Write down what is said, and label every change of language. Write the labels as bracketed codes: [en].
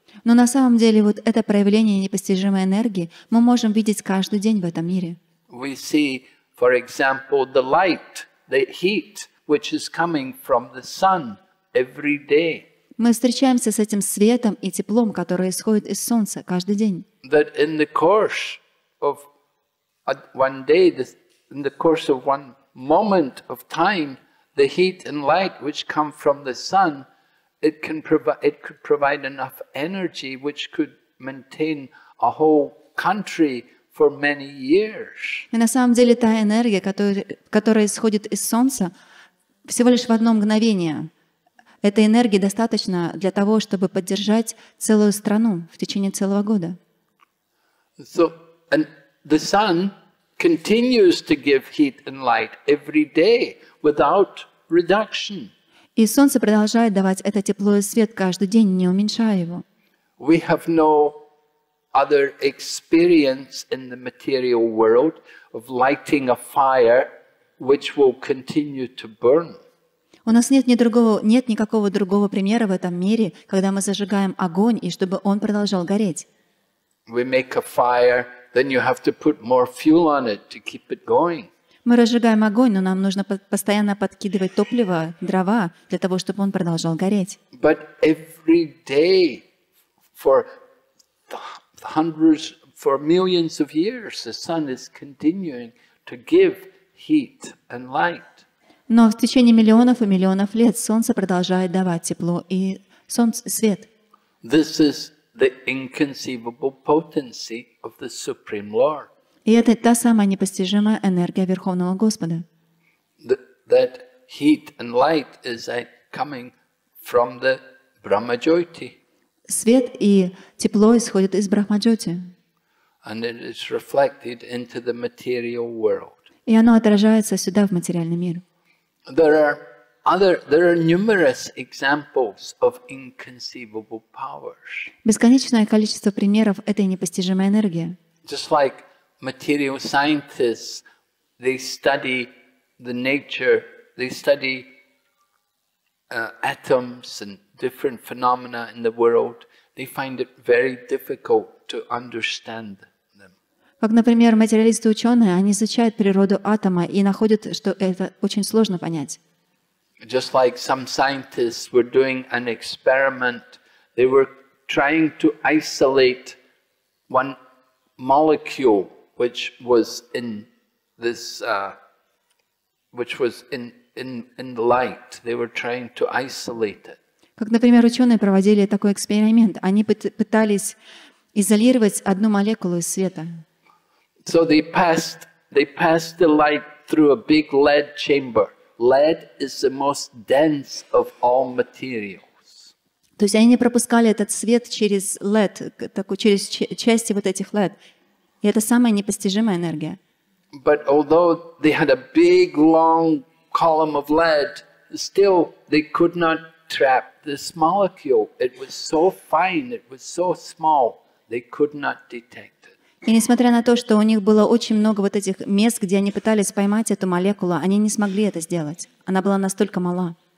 [ru] Но на самом деле вот это проявление непостижимой энергии мы можем видеть каждый день в этом мире. [en] We see, for example, the light, the heat, which is coming from the sun every day. [ru] Мы встречаемся с этим светом и теплом, которое исходит из солнца каждый день. [en] That in the course of one day, in the course of one moment of time, the heat and light which come from the sun, it could provide enough energy which could maintain a whole country for many years. [ru] И на самом деле та энергия, которая исходит из солнца, всего лишь в одно мгновение. Этой энергии достаточно для того, чтобы поддержать целую страну в течение целого года. [en] So, and the sun continues to give heat and light every day without reduction. [ru] И солнце продолжает давать это тепло и свет каждый день, не уменьшая его. [en] We have no other experience in the material world of lighting a fire which will continue to burn. [ru] У нас нет никакого другого примера в этом мире, когда мы зажигаем огонь и чтобы он продолжал гореть. [en] We make a fire, then you have to put more fuel on it to keep it going. [ru] Мы разжигаем огонь, но нам нужно постоянно подкидывать топливо, дрова для того, чтобы он продолжал гореть. [en] But every day for hundreds, for millions of years, the sun is continuing to give heat and light. [ru] Но в течение миллионов и миллионов лет солнце продолжает давать тепло и свет. [en] This is the inconceivable potency of the Supreme Lord. [ru] И это та самая непостижимая энергия Верховного Господа. [en] That heat and light is coming from the Brahmajyoti. [ru] Свет и тепло исходят из Брахмаджоти. [en] And it is reflected into the material world. [ru] И оно отражается сюда, в материальный мир. [en] There are numerous examples of inconceivable powers. [ru] Бесконечное количество примеров этой непостижимой энергии. [en] Just like material scientists, they study the nature, they study atoms and different phenomena in the world. They find it very difficult to understand. [ru] Как, например, материалисты-ученые, они изучают природу атома и находят, что это очень сложно понять. [en] Just like some scientists were doing an experiment, they were trying to isolate one molecule which was in the light. They were trying to isolate it. [ru] Как, например, ученые проводили такой эксперимент. Они пытались изолировать одну молекулу из света. [en] So they passed the light through a big lead chamber. Lead is the most dense of all materials. [ru] То есть они пропускали этот свет через лед, через части вот этих лед. И это самая непостижимая энергия. [en] But although they had a big long column of lead, still they could not trap this molecule. It was so fine, it was so small, they could not detect. [ru] И несмотря на то, что у них было очень много вот этих мест, где они пытались поймать эту молекулу, они не смогли это сделать. Она была настолько мала.